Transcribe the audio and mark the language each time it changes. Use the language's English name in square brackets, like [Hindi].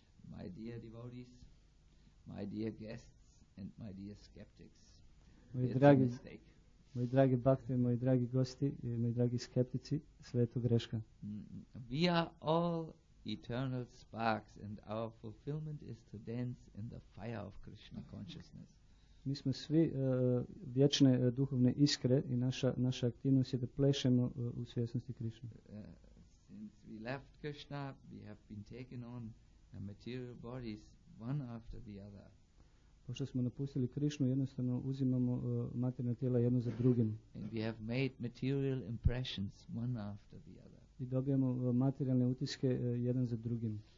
[English] My dear devotees, my dear guests and my dear skeptics. [Croatian] Moji dragi, moji dragi bhakti, moji dragi gosti i moji dragi skeptici, sve je to greška. [English] We are all eternal sparks and our fulfillment is to dance in the fire of Krishna consciousness. [Croatian] Mi smo svi vječne duhovne iskre i naša, naša aktivnost je da plešemo u svjesnosti Krishna. [English] Since we left Krishna, we have been taken on the material bodies one after the other. [Croatian] Pošto smo napustili Krišnu, jednostavno uzimamo materijalna tijela jedno za drugim. [English] And we have made material impressions one after the other. [Croatian] I dobijamo materijalne utiske jedan za drugim.